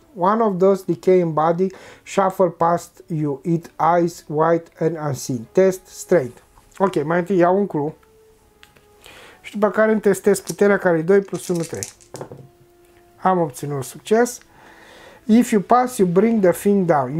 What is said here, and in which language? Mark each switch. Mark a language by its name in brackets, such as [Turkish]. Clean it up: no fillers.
[English] One of those decaying body shuffle past you, it eyes white and unseen. [Romanian] Test strength. Ok, mai întâi iau un clou. Și după care îmi testez puterea care e 2 plus 1, 3. Am obținut succes. [English] If you pass, you bring the thing down.